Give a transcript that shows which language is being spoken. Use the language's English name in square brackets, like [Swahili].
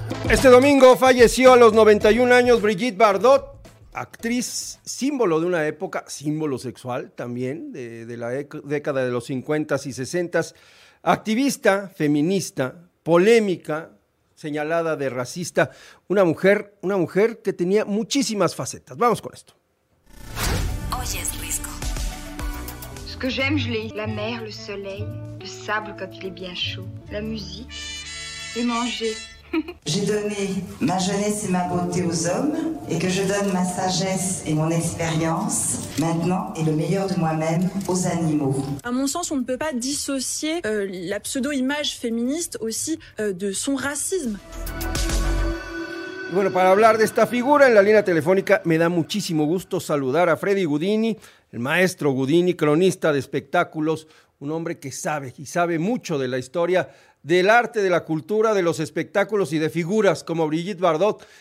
[Spanish] Este domingo falleció a los 91 años Brigitte Bardot, actriz, símbolo de una época, símbolo sexual también, de la década de los 50s y 60s, activista, feminista, polémica, señalada de racista, una mujer que tenía muchísimas facetas. Vamos con esto. Oyes Risco. [French] Ce que j'aime, je l'ai. La mer, le soleil, le sable quand il est bien chaud, la musique, et manger. J'ai donné ma jeunesse et ma beauté aux hommes et que je donne ma sagesse et mon expérience maintenant et le meilleur de moi-même aux animaux. À mon sens, on ne peut pas dissocier la pseudo-image féministe aussi de son racisme. [Spanish] Bueno, para hablar de esta figura en la línea telefónica, me da muchísimo gusto saludar a Freddy Gudini, el maestro Gudini, cronista de espectáculos, un hombre que sabe y sabe mucho de la historia del arte, de la cultura, de los espectáculos y de figuras como Brigitte Bardot.